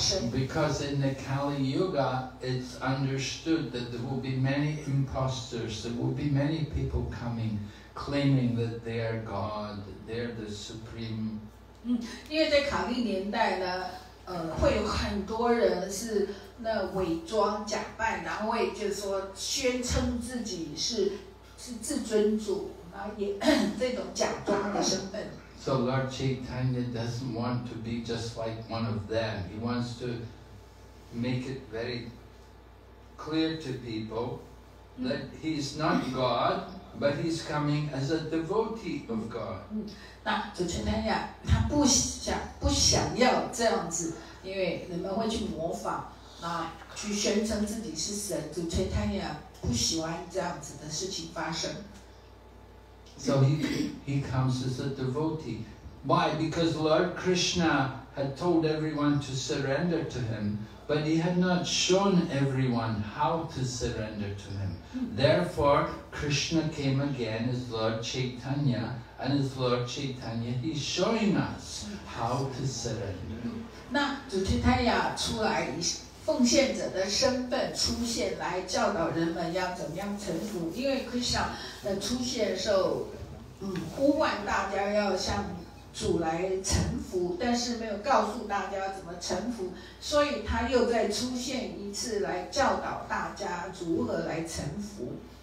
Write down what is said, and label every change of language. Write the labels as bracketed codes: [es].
[en] Because in the Kali Yuga, it's understood that there will be many imposters, there will be many people coming, claiming that they are God, they're the supreme. [zh] 因为在卡利年代呢，会有很多人是那伪装假扮，然后会就是说宣称自己是至尊主，然后也这种假装的身份。 [en] So Lord Chaitanya doesn't want to be just like one of them. He wants to make it very clear to people that he's not God, but he's coming as a devotee of God. [zh] 那主 Chaitanya 他不想要这样子，因为人们会去模仿，那去宣称自己是神。主 Chaitanya 不喜欢这样子的事情发生。 [en] So he comes as a devotee. Why? Because Lord Krishna had told everyone to surrender to him, but he had not shown everyone how to surrender to him. Therefore, Krishna came again as Lord Chaitanya, and as Lord Chaitanya, he's showing us how to surrender. [zh] 那主 Chaitanya 出来奉献者的身份出现来教导人们要怎么样臣服，因为 Krishna 的出现的时候呼唤大家要向主来臣服，但是没有告诉大家怎么臣服，所以他又再出现一次来教导大家如何来臣服。